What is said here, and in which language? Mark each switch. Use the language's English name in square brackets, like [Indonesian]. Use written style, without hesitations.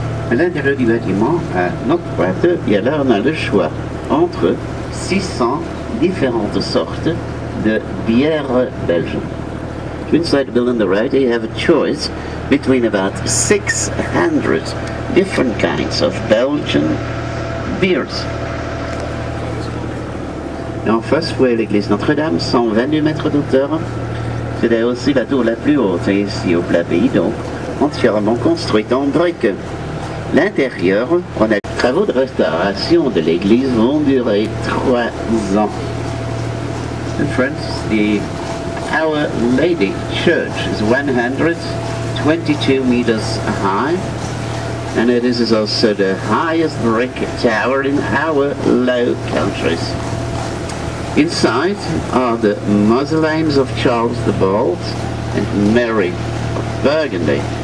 [French] À l'intérieur du bâtiment, à notre droite, il y a là on a le choix entre 600 différentes sortes de bières belges. [English] Inside the building on the right, you have a choice between about 600 different kinds of Belgian beers. [French] Et en face, vous voyez l'église Notre-Dame, 122 mètres d'hauteur. C'est aussi la tour la plus haute ici au Plat-Pays, donc entièrement construite en briques. L'intérieur, on a les travaux de restauration de l'église vont durer 3 ans. [English] In France, Our Lady Church is 122 meters high, and it is also the highest brick tower in our Low Countries. Inside are the mausoleums of Charles the Bald and Mary of Burgundy.